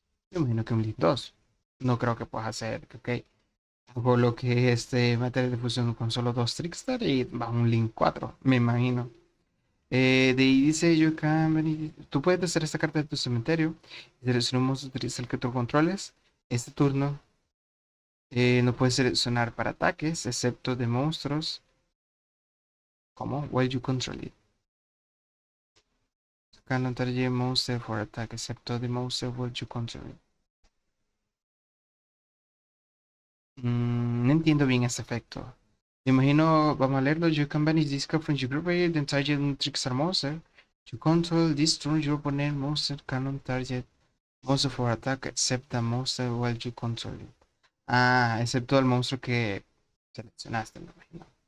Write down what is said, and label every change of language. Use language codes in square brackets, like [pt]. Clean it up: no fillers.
[es] Yo imagino que un Link 2. No creo que puedas hacer, ¿okay? Por lo que material de fusión con solo dos Trickstar y va un Link 4, me imagino. De ahí dice: [en] you can. [es] Tú puedes hacer esta carta de tu cementerio y seleccionar un monstruo Trickstar que tú controles. Este turno no puedes seleccionar para ataques, excepto de monstruos. ¿Cómo? [en] While you control it. Can't target monster for attack, [es] excepto [en] the monster while you control it. [es] No entiendo bien ese efecto. Me imagino, vamos a leerlo. [en] You can banish this card from your graveyard, then target [es] un [en] Trickstar monster. You control this turn, your opponent monster cannot target monster for attack, except the monster while you control it. [es] Ah, excepto al monstruo que seleccionaste, me imagino.